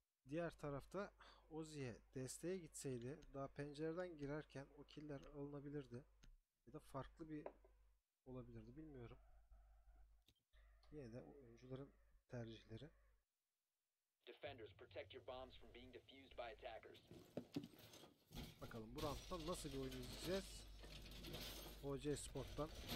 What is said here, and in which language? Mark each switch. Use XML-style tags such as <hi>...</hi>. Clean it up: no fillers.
<tr>Diğer tarafta Ozi'ye desteğe gitseydi daha pencereden girerken o killer alınabilirdi ya da farklı bir olabilirdi bilmiyorum. Yine de oyuncuların tercihleri.</tr> <en>Defenders, protect your bombs from being defused by attackers.</en> <tr>Bakalım bu round'dan nasıl bir oyun izleyeceğiz? OC Sport'tan.</tr>